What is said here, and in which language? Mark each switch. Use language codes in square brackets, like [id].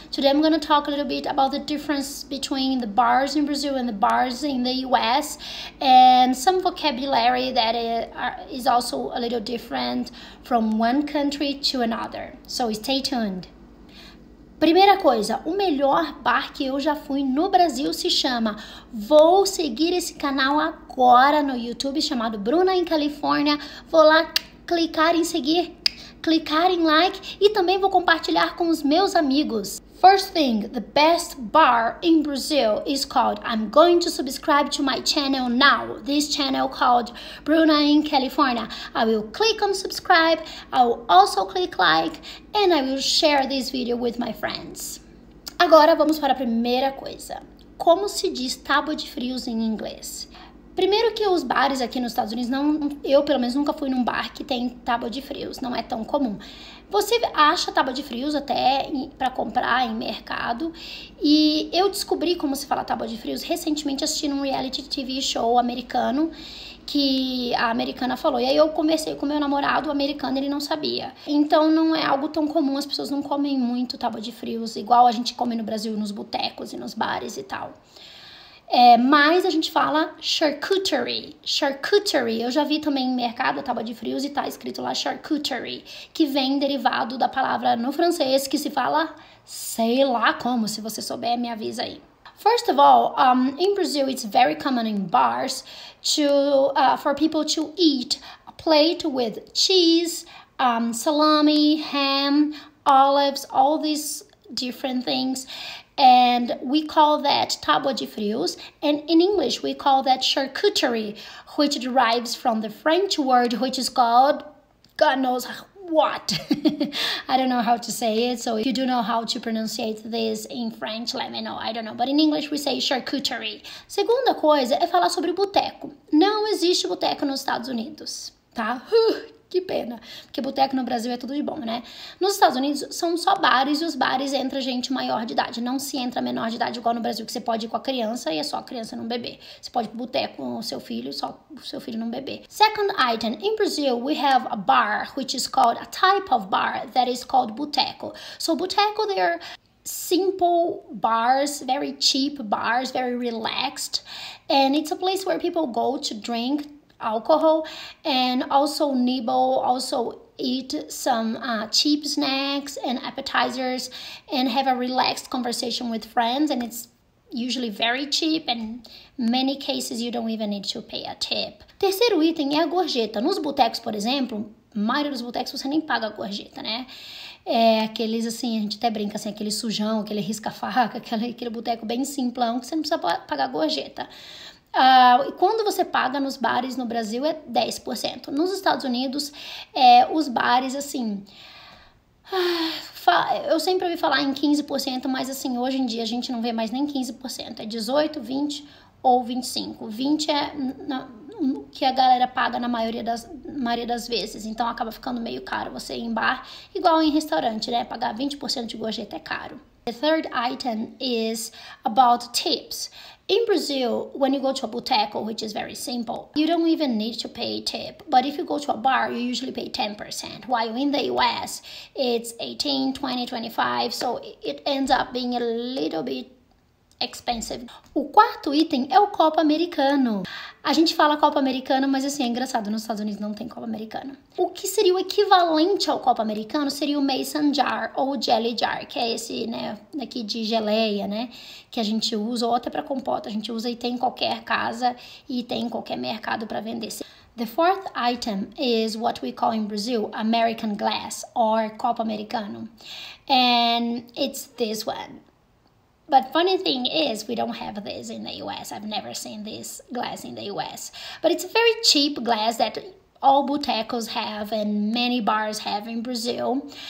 [en] Today I'm going to talk a little bit about the difference between the bars in Brazil and the bars in the US and some vocabulary that is also a little different from one country to another. So stay tuned. [pt] Primeira coisa, o melhor bar que eu já fui no Brasil se chama, vou seguir esse canal agora no YouTube chamado Bruna em Califórnia, vou lá clicar em seguir. Clicar em like e também vou compartilhar com os meus amigos. [en] First thing, the best bar in Brazil is called I'm going to subscribe to my channel now. This channel called Bruna in California. I will click on subscribe, I will also click like and I will share this video with my friends. [pt] Agora vamos para a primeira coisa. Como se diz tábua de frios em inglês? Primeiro que os bares aqui nos Estados Unidos, eu pelo menos nunca fui num bar que tem tábua de frios, não é tão comum. Você acha tábua de frios até pra comprar em mercado, e eu descobri como se fala tábua de frios recentemente assistindo um reality TV show americano, que a americana falou, e aí eu conversei com meu namorado, o americano, ele não sabia. Então não é algo tão comum, as pessoas não comem muito tábua de frios, igual a gente come no Brasil nos botecos e nos bares e tal. É, mas a gente fala charcuterie, charcuterie, eu já vi também em mercado a tábua de frios e tá escrito lá charcuterie, que vem derivado da palavra no francês que se fala sei lá como, se você souber me avisa aí. [en] First of all, in Brazil it's very common in bars for people to eat a plate with cheese, salami, ham, olives, all these different things. And we call that tábua de frios, and in English we call that charcuterie, which derives from the French word, which is called, God knows what. I don't know how to say it, so if you do know how to pronunciate this in French, let me know, I don't know. But in English we say charcuterie. [pt] Segunda coisa é falar sobre boteco. Não existe boteco nos Estados Unidos, tá? Que pena, porque boteco no Brasil é tudo de bom, né? Nos Estados Unidos são só bares e os bares entra gente maior de idade. Não se entra menor de idade igual no Brasil, que você pode ir com a criança e é só a criança num bebê. Você pode ir pro boteco com o seu filho, só o seu filho num bebê. [en] Second item, in Brazil we have a bar, which is called a type of bar that is called boteco. So boteco, they're simple bars, very cheap bars, very relaxed. And it's a place where people go to drink alcohol and also nibble, also eat some cheap snacks and appetizers and have a relaxed conversation with friends, and it's usually very cheap and many cases you don't even need to pay a tip. [pt] Terceiro item é a gorjeta. Nos botecos, por exemplo, a maioria dos botecos você nem paga a gorjeta, né? É aqueles assim, a gente até brinca assim, aquele sujão, aquele risca-faca, aquele boteco bem simplão que você não precisa pagar a gorjeta. E quando você paga nos bares no Brasil é 10%. Nos Estados Unidos, os bares, assim, eu sempre ouvi falar em 15%, mas assim, hoje em dia a gente não vê mais nem 15%. É 18, 20 ou 25. 20 é o que a galera paga na maioria das vezes. Então acaba ficando meio caro você ir em bar, igual em restaurante, né? Pagar 20% de gorjeta é caro. [en] The third item is about tips. In Brazil, when you go to a boteco, which is very simple, you don't even need to pay tip. But if you go to a bar, you usually pay 10%. While in the US, it's 18, 20, 25, so it ends up being a little bit expensive. [pt] O quarto item é o copo americano. A gente fala copo americano, mas assim, é engraçado, nos Estados Unidos não tem copo americano. O que seria o equivalente ao copo americano seria o mason jar ou o jelly jar, que é esse, né, daqui de geleia, né, que a gente usa, ou até pra compota, a gente usa e tem em qualquer casa e tem em qualquer mercado pra vender. [en] The fourth item is what we call in Brazil American glass or copo americano. And it's this one. But funny thing is, we don't have this in the US. I've never seen this glass in the US. But it's a very cheap glass that all botecos have and many bars have in Brazil.